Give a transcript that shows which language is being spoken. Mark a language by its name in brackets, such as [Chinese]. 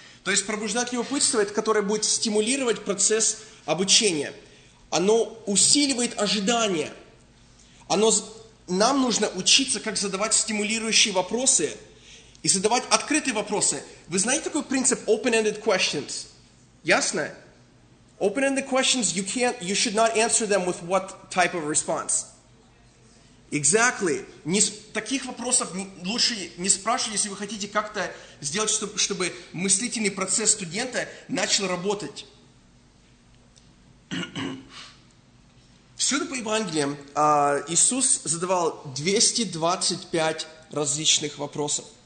[Russian] То есть пробуждать любопытство, это которое будет стимулировать процесс обучения. Оно усиливает ожидания. Нам нужно учиться, как задавать стимулирующие вопросы и задавать открытые вопросы. Вы знаете такой принцип open-ended questions? Ясно? [English] Open-ended questions, you should not answer them with what type of response. Exactly. [Russian] Таких вопросов лучше не спрашивать, если вы хотите как-то сделать, чтобы мыслительный процесс студента начал работать. Всюду по Евангелиям Иисус задавал 225 различных вопросов.